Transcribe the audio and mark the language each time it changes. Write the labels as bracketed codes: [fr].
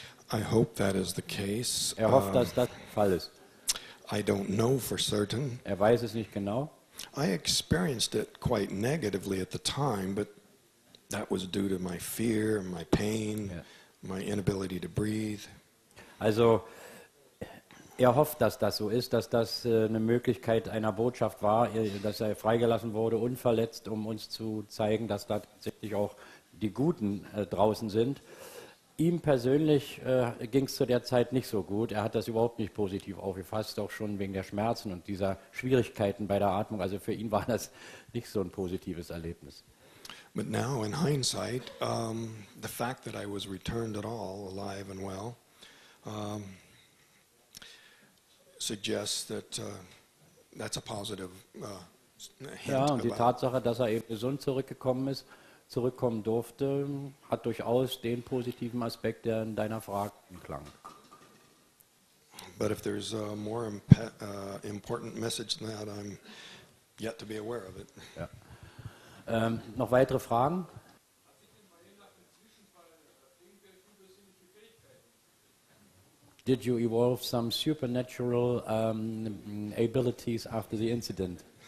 [en] I hope that is the case. [de] Er hofft, dass das Fall ist. [en] I don't know for certain. [de] Er weiß es nicht genau. [en] I experienced it quite negatively at the time, but that was due to my fear, my pain, yeah, my inability to breathe. [de] Also, Er hofft, dass das so ist, dass das eine Möglichkeit einer Botschaft war, dass er freigelassen wurde, unverletzt, um uns zu zeigen, dass da tatsächlich auch die Guten draußen sind. Ihm persönlich ging es zu der Zeit nicht so gut. Er hat das überhaupt nicht positiv aufgefasst, auch schon wegen der Schmerzen und dieser Schwierigkeiten bei der Atmung. Also für ihn war das nicht so ein positives Erlebnis. [en] But now, in hindsight, the fact that I was returned at all, alive and well, suggests that that's a positive hint. [de] Ja, und die Tatsache, dass er eben gesund zurückgekommen ist, zurückkommen durfte, hat durchaus den positiven Aspekt, der in deiner Frage klang. [en] But if there's a more important message than that, I'm yet to be aware of it. [de] Ja. Noch weitere Fragen? [en] Did you evolve some supernatural abilities after the incident?